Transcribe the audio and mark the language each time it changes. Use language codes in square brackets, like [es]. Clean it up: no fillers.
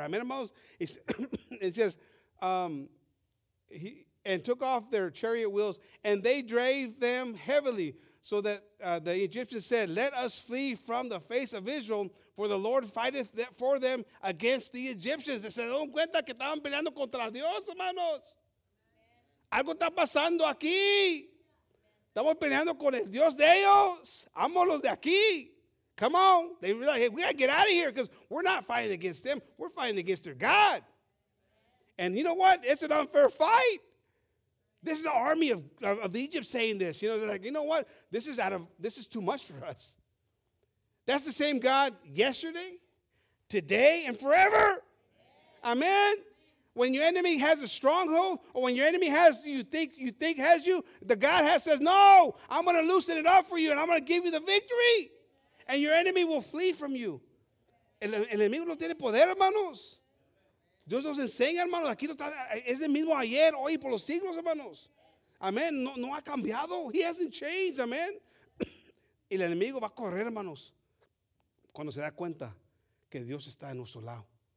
[en] I mean, Moses, he and took off their chariot wheels, and they drave them heavily, so that the Egyptians said, let us flee from the face of Israel, for the Lord fighteth for them against the Egyptians. [es] Se dan cuenta que estaban peleando contra Dios, hermanos. Algo está pasando aquí. Estamos peleando con el Dios de ellos. Amo los de aquí. [en] Come on. They were like, hey, we got to get out of here because we're not fighting against them. We're fighting against their God. And you know what? It's an unfair fight. This is the army of Egypt saying this. You know, they're like, you know what? This is too much for us. That's the same God yesterday, today, and forever. Amen. When your enemy has a stronghold, or when your enemy has you think has you, the God has says, no, I'm going to loosen it up for you, and I'm going to give you the victory, and your enemy will flee from you. [es] El enemigo no tiene poder, hermanos. Dios nos enseña, hermanos. Aquí está, es el mismo ayer, hoy, por los siglos, hermanos. Amén. No ha cambiado. [en] He hasn't changed, [es] amén. El enemigo va a correr, hermanos, cuando se da cuenta que Dios está en nuestro lado.